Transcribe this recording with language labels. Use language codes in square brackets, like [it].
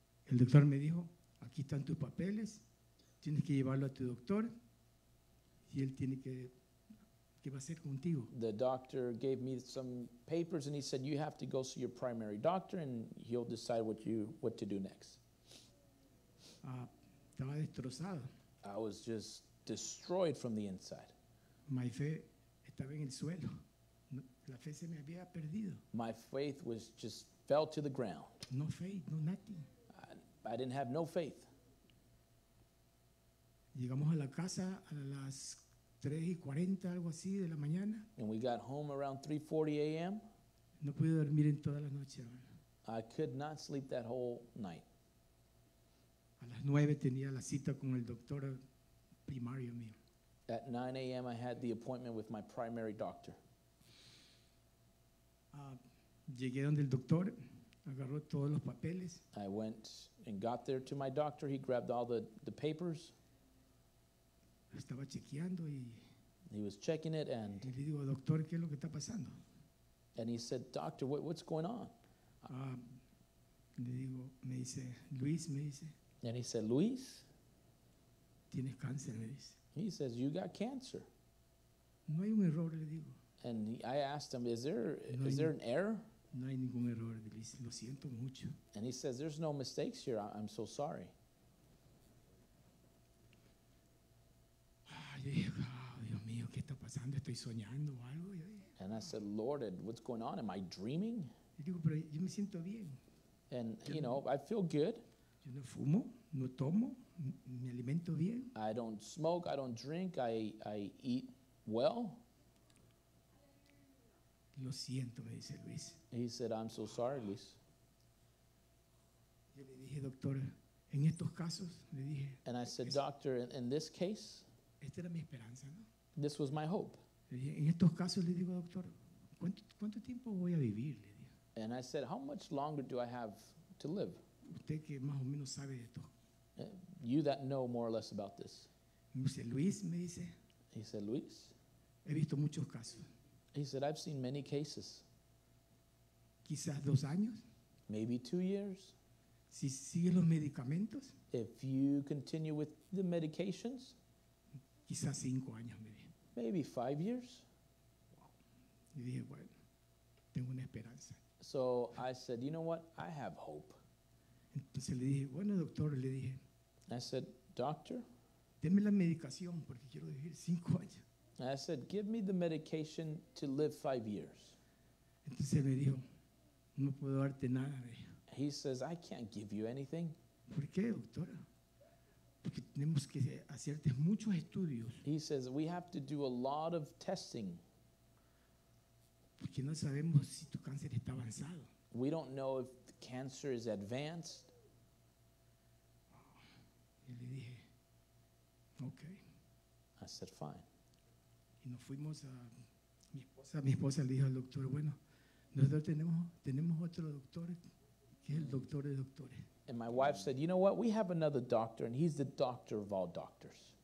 [es] El doctor me dijo, aquí están tus papeles, tienes que llevarlo a tu doctor y él tiene que, ¿qué va a hacer contigo? [en] The doctor gave me some papers and he said, you have to go see your primary doctor and he'll decide what to do next. [es] Estaba destrozado. [en] I was just destroyed from the inside. [es] Mi fe estaba en el suelo. La fe se me había perdido. [en] My faith was just fell to the ground. No faith, no nothing. I didn't have no faith. [es] Llegamos a la casa a las 3:40, algo así, de la mañana. [en] And we got home around 3:40 a.m. [es] No pude dormir en toda la noche. [en] I could not sleep that whole night. [es] A las 9 tenía la cita con el doctor primario mío. [en] At 9 a.m. I had the appointment with my primary doctor. [es] Llegué donde el doctor, agarró todos los papeles. [en] I went and got there to my doctor. He grabbed all the papers. [es] Estaba chequeando y [en] he was checking it and [es] le digo, doctor, ¿qué es lo que está pasando? [en] And he said, doctor, what's going on? [es] Le digo, me dice, Luis, me dice. [en] And he said, Luis, [es] tienes cáncer, me dice. [en] He says, you got cancer. [es] No hay un error, le digo. [en] And I asked him, is there an error? [es] No hay ningún error, lo siento mucho. [en] And he says, there's no mistakes here. I'm so sorry. [es] Ay, oh, Dios mío, ¿qué está pasando? Estoy soñando o algo. [en] And I said, Lord, what's going on? Am I dreaming? [es] Y digo, pero yo me siento bien. [en] And, you know, I feel good. [es] Yo no fumo, no tomo, me alimento bien. [en] I don't smoke, I don't drink, I eat well. [es] Lo siento, me dice Luis. [en] He said, I'm so sorry, Luis. [es] Yo le dije, doctor, en estos casos, le dije. [en] And I said, doctor, in this case, [es] esta era mi esperanza, ¿no? [en] This was my hope. [es] En estos casos le digo, doctor, ¿cuánto tiempo voy a vivir? Le digo. [en] And I said, how much longer do I have to live? [es] Usted que más o menos sabe de esto. [en] You that know more or less about this. [es] Dice, Luis, me dice. [en] He said, Luis. [es] He visto muchos casos. [en] He said, I've seen many cases. [es] Quizás 2 años. [en] Maybe 2 years. [es] Si sigue los medicamentos. [en] If you continue with the medications. [es] Quizás 5 años, me dice. [en] Maybe 5 years. [es] Y dije, bueno, tengo una esperanza. [en] So I said, you know what? I have hope. [es] Entonces le dije, bueno, doctor, le dije. [en] I said, doctor. [es] Deme la medicación porque quiero vivir 5 años. [en] I said, give me the medication to live 5 years. [es] Entonces me dijo, no puedo darte nada, me dijo. [en] He says, I can't give you anything. [es] ¿Por qué, doctora? Porque tenemos que hacerte muchos estudios. [en] He says, we have to do a lot of testing. [es] Porque no sabemos si tu cáncer está avanzado. [en] We don't know if the cancer is advanced. [es] Y le dije, okay. [en] I said, fine. [es] Y nos fuimos a mi esposa le dijo al doctor, bueno, nosotros tenemos otro doctor que es el doctor de doctores. [en] And my wife said, you know what, we have another doctor and he's the doctor of all doctors.